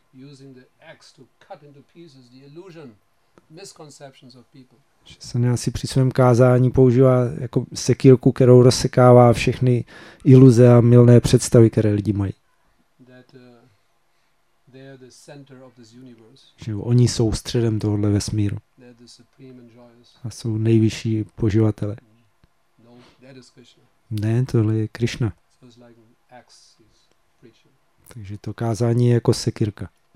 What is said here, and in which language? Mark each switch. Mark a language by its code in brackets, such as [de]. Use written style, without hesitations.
[en] Using the axe to cut into pieces the illusion, misconceptions of people. [cs] Sannyasi při svém kázání používá jako sekírku, kterou rozsekává všechny iluze a mylné představy, které lidi mají. [en] That they are the center of this universe. [cs] Že oni jsou středem tohohle vesmíru. [en] They're the supreme enjoyers. [cs] A jsou nejvyšší poživatelé. [en] No, that is Krishna. [cs] Ne, tohle je Krishna. [en] So it's like an axe. [cs] Takže to kázání je jako sekirka.